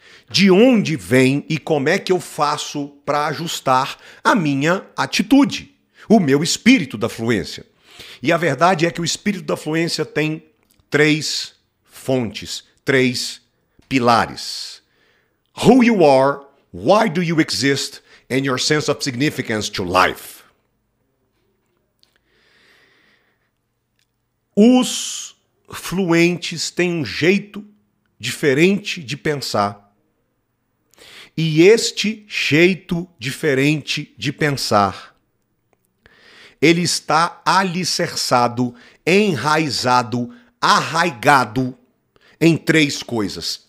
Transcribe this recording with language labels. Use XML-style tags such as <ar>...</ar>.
<pt>de onde vem e como é que eu faço para ajustar a minha atitude, o meu espírito da fluência. E a verdade é que o espírito da fluência tem três fontes, três pilares.</pt> <en>Who you are, why do you exist, and your sense of significance to life.</en> <pt>Os fluentes têm um jeito diferente de pensar. E este jeito diferente de pensar, ele está alicerçado, enraizado, arraigado em três coisas.</pt>